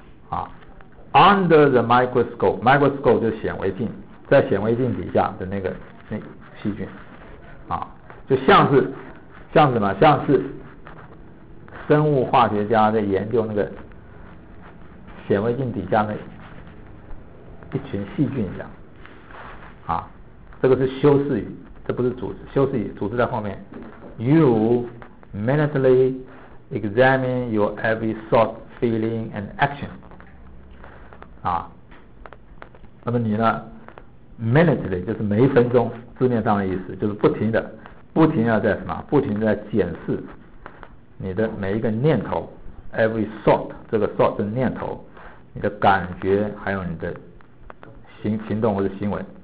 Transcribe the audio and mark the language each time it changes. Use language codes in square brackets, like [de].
[zh] 啊， under the microscope， microscope 就是显微镜，在显微镜底下的那个那细菌啊，就像是像什么，像是生物化学家在研究那个显微镜底下的一群细菌一样啊。这个是修饰语，这不是主词，修饰语主词在后面。 [en] You mentally examine your every thought, feeling, and action. [zh] 啊，那么你呢 ？Mentally 就是每一分钟，字面上的意思就是不停的在什么？不停的在检视你的每一个念头 ， [en] every thought， [zh] 这个 thought 是念头，你的感觉，还有你的行动或者行为。